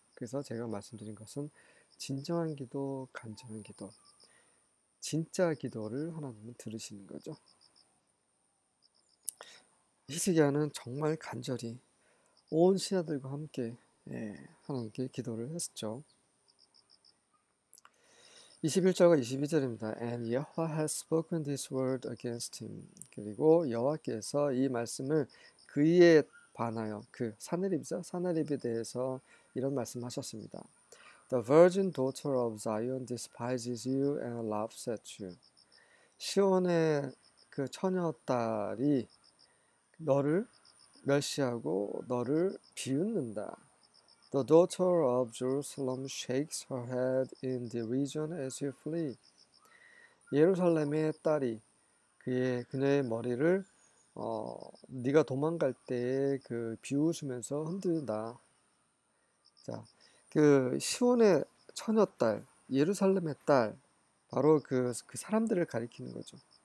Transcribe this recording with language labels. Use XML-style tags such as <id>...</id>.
<ko>그래서 제가 말씀드린 것은 진정한 기도, 간절한 기도, 진짜 기도를 하나님은 들으시는 거죠. 히스기야는 정말 간절히 온 신하들과 함께 하나님께 기도를 했었죠. 21절과 22절입니다.</ko> <en>And Yahweh has spoken this word against him.</en> <ko>그리고 여호와께서 이 말씀을 그의 반하여 그 산헤립이죠. 산헤립에 대해서 이런 말씀하셨습니다.</ko> <en>The virgin daughter of Zion despises you and laughs at you.</en> <ko>시온의 그 처녀딸이 너를 멸시하고 너를 비웃는다.</ko> <en>The daughter of Jerusalem shakes her head in derision as you flee.</en> <ko>예루살렘의 딸이 그녀의 머리를 네가 도망갈 때그 비웃으면서 흔든다. 자, 그 시온의 처녀딸, 예루살렘의 딸, 바로 그 사람들을 가리키는 거죠.</ko>